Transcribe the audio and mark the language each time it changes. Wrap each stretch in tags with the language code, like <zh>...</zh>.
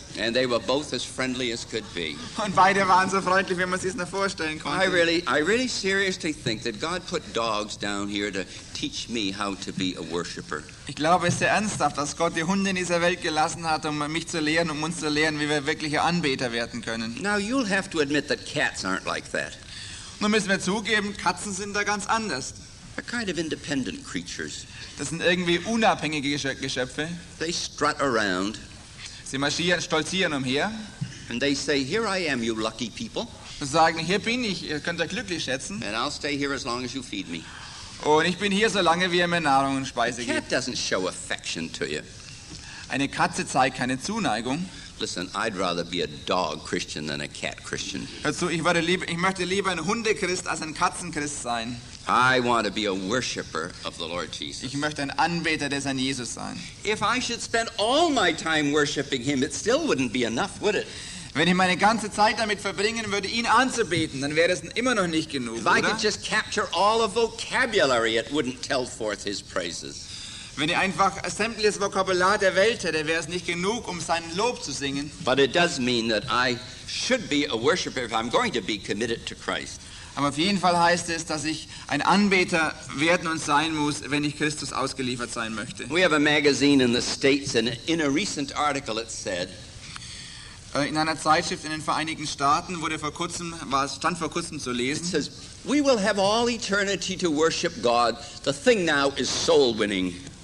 <en>And they were both as friendly as could be.</en> <de>Und beide waren so freundlich, wie man sich nur vorstellen konnte.</de> <en>I really seriously think that God put dogs down here to teach me how to be a worshipper.</en> <de>Ich glaube es sehr ernsthaft, dass Gott die Hunde in dieser Welt gelassen hat, um mich zu lehren, um uns zu lehren, wie wir wirkliche Anbeter werden können.</de> <en>Now you'll have to admit that cats aren't like that.</en> <de>Nun müssen wir zugeben, Katzen sind da ganz anders.</de> <en>They're kind of independent creatures.</en> <de>Das sind irgendwie unabhängige Geschöpfe.</de> <en>They strut around.</en> <de>Sie marschieren, stolzieren umher.</de> <en>And they say, "Here I am, you lucky people."</en> <de>Und sagen, hier bin ich, ihr könnt euch glücklich schätzen.</de> <en>And I'll stay here as long as you feed me.</en> <de>Und ich bin hier so lange, wie ihr mir Nahrung und Speise gebt.</de> <en>A cat doesn't show affection to you.</en> <de>Eine Katze zeigt keine Zuneigung.</de> <en>Listen, I'd rather be a dog Christian than a cat Christian.</en> <de>Also, ich möchte lieber ein Hundechrist als ein Katzenchrist sein.</de> <en>I want to be a worshipper of the Lord Jesus.</en> <de>Ich möchte ein Anbeter des Herrn Jesus sein.</de> <en>If I should spend all my time worshiping him, it still wouldn't be enough, would it?</en> <de>Wenn ich meine ganze Zeit damit verbringen würde, ihn anzubeten, dann wäre es immer noch nicht genug, oder?</de> <en>If I could just capture all of vocabulary, it wouldn't tell forth his praises.</en> <de>Wenn ich einfach sämtliches Vokabular der Welt hätte, wäre es nicht genug, um sein Lob zu singen.</de> <en>But it does mean that I should be a worshipper if I'm going to be committed to Christ.</en> <de>Aber auf jeden Fall heißt es, dass ich ein Anbeter werden und sein muss, wenn ich Christus ausgeliefert sein möchte.</de> <en>We have a magazine in the States, and in a recent article it said,</en> <de>in einer Zeitschrift in den Vereinigten Staaten wurde vor kurzem, stand vor kurzem zu lesen,</de> <en>it says, we will have all eternity to worship God. The thing now is soul winning.</en>